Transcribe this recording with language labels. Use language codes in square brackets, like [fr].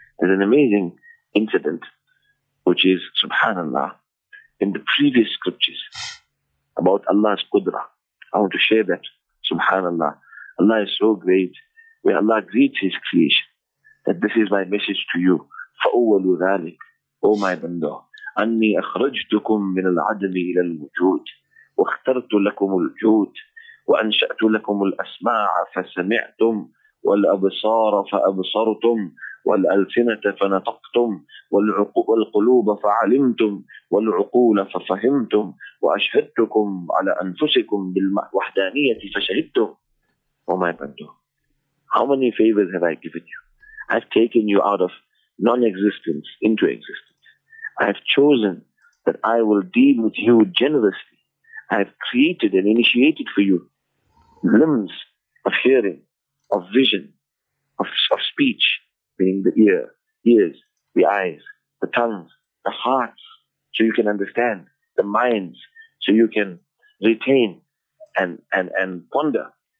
[en] There's an amazing incident, which is, subhanAllah, in the previous scriptures about Allah's Qudra. I want to share that. SubhanAllah. Allah is so great. Where Allah greets His creation, that this is my message to you. [ar] فَأُوَّلُ ذَلِكَ [en] O my bando, [ar] أَنِّي أَخْرَجْتُكُمْ مِنَ الْعَدْمِ إِلَى الْوُجُودِ وَاخْتَرْتُ لَكُمُ الْجُودِ وَأَنْشَأْتُ لَكُمُ الْأَسْمَاعَ فَسَمِعْتُمْ وَالْأَبْصَارَ فَأَبْصَرْتُمْ والألسنة فنطقتم والقلوب فعلمتم والعقول ففهمتم وأشهدتكم على أنفسكم بالوحدانية فشهدتم. [en] Oh my brother, how many favors have I given you? I've taken you out of non-existence into existence. I've chosen that I will deal with you generously. I've created and initiated for you limbs of hearing, of vision, of speech, meaning the ears, the eyes, the tongues, the hearts, so you can understand, the minds, so you can retain and ponder.